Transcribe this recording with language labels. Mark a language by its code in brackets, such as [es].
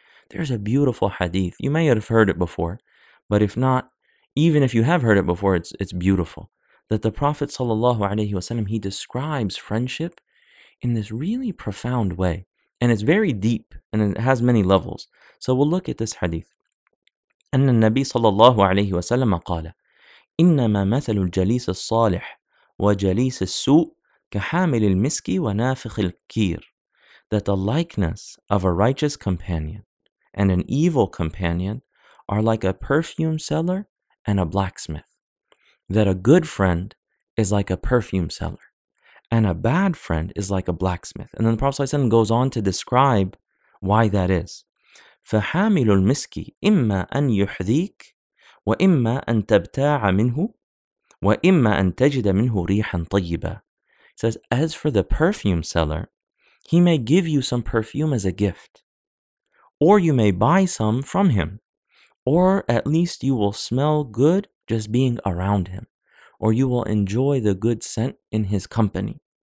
[en] There's a beautiful hadith. You may have heard it before, but if not, even if you have heard it before, it's beautiful. That the Prophet sallallahu alaihi wasallam, he describes friendship in this really profound way. And it's very deep and it has many levels. So we'll look at this hadith. [ar] أن النبي sallallahu alaihi wasallam قال إنما مثل الجليس الصالح وجليس السوء كحامل المسك ونافخ الكير. [en] That the likeness of a righteous companion and an evil companion are like a perfume seller and a blacksmith. That a good friend is like a perfume seller and a bad friend is like a blacksmith. And then the Prophet ﷺ goes on to describe why that is. [ar] فحامل المسك إما أن يحذيك وإما أن تبتاع منه وَإِمَّا أَن تَجِدَ مِنْهُ رِيحًا طَيِّبًا. [en] He says, as for the perfume seller, he may give you some perfume as a gift, or you may buy some from him, or at least you will smell good just being around him, or you will enjoy the good scent in his company.